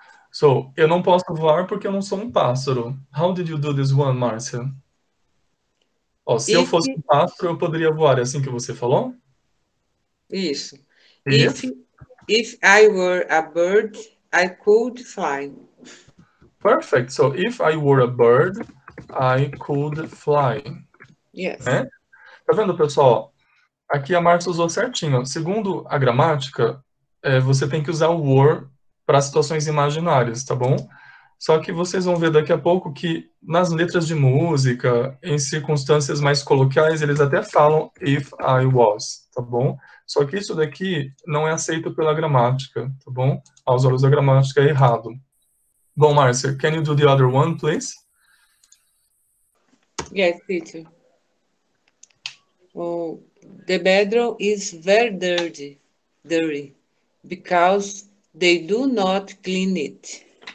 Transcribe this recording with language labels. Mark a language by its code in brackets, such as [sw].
[pt] So, eu não posso voar porque eu não sou um pássaro. [en] How did you do this one, [pt] Marcia? Oh, se eu fosse um pássaro, eu poderia voar. É assim que você falou? Isso. [en] If I were a bird, I could fly. Perfect. So, if I were a bird, I could fly. Yes. [pt] É? Tá vendo, pessoal? Aqui a Márcia usou certinho. Segundo a gramática, você tem que usar o were para situações imaginárias, tá bom? Só que vocês vão ver daqui a pouco que nas letras de música, em circunstâncias mais coloquiais, eles até falam [en] if I was, [pt] tá bom? Só que isso daqui não é aceito pela gramática, tá bom? Aos olhos da gramática é errado. [en] Bom, Márcia, can you do the other one, please? Yes, teacher. Oh. The bedroom is very dirty, because they do not clean it.